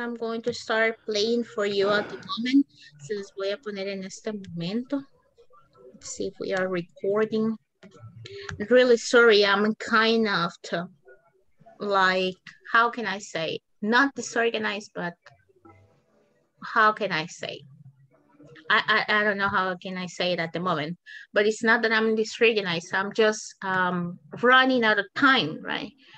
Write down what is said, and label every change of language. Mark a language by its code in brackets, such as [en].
[en] I'm going to start playing for you at the moment. [es] So les voy a poner en este momento. [en] Let's see if we are recording. Really sorry, I'm kind of to, like, how can I say, not disorganized, but how can I say, I don't know how can I say it at the moment, but it's not that I'm disorganized, I'm just running out of time, right?